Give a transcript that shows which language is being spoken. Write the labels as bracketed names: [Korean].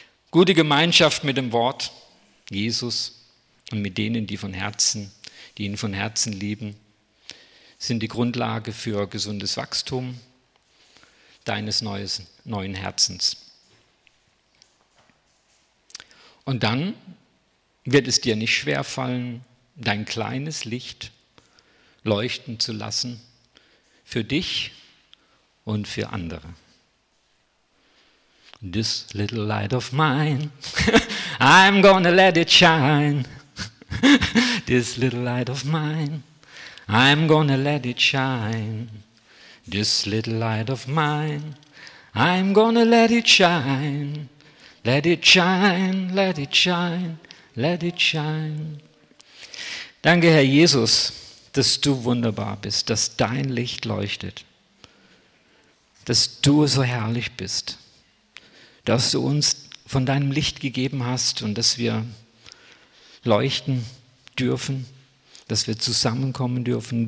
[German] Gute Gemeinschaft mit dem Wort Jesus und mit denen, die von Herzen, die ihn von Herzen lieben, sind die Grundlage für gesundes Wachstum deines neuen Herzens. Und dann wird es dir nicht schwerfallen, dein kleines Licht leuchten zu lassen für dich und für andere. [English] This little light of mine, I'm gonna let it shine. This little light of mine, I'm gonna let it shine. This little light of mine, I'm gonna let it shine. Let it shine, let it shine, let it shine. [German] Danke, Herr Jesus, dass du wunderbar bist, dass dein Licht leuchtet, dass du so herrlich bist, dass du uns von deinem Licht gegeben hast und dass wir leuchten dürfen, dass wir zusammenkommen dürfen.